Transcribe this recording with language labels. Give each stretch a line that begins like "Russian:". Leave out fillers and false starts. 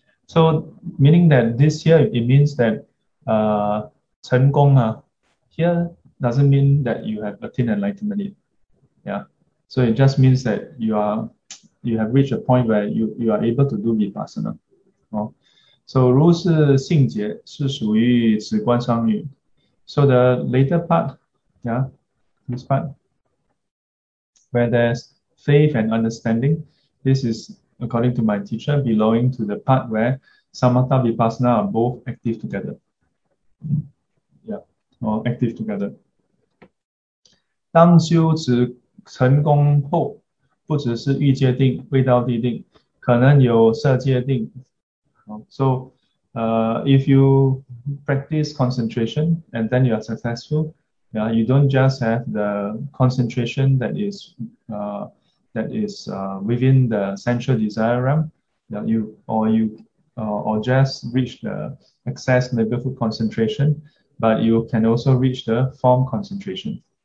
English: So meaning that this here, it means that 成功, here doesn't mean that you have attained enlightenment yet. Yeah. So it just means that you have reached a point where you are able to do vipassana.
Chinese: So 如是性解是属于止观双运.
English: So the later part, yeah, this part, where there's faith and understanding, this is according to my teacher, belonging to the part where Samatha Vipassana are both active together. Yeah, all active together.
Chinese: 当修持成功后, 不只是欲界定, 味道地定, 可能有色界定。
English: So, if you practice concentration and then you are successful, yeah, you don't just have the concentration that is within the sensual desire realm, yeah, or just reach the excess neighborhood concentration, but you can also reach the form concentration.